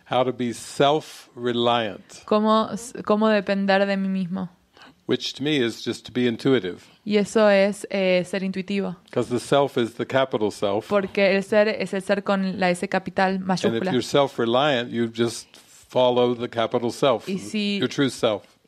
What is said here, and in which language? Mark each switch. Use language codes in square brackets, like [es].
[en] How to be self-reliant. [es] Cómo depender de mí mismo. [en] Which to me is just to be intuitive. [es] Y eso es ser intuitivo. [en] Because the self is the capital self. [es] Porque el ser es el ser con la S capital mayúscula. [en] And if you're self-reliant, you just follow the capital self, your true self.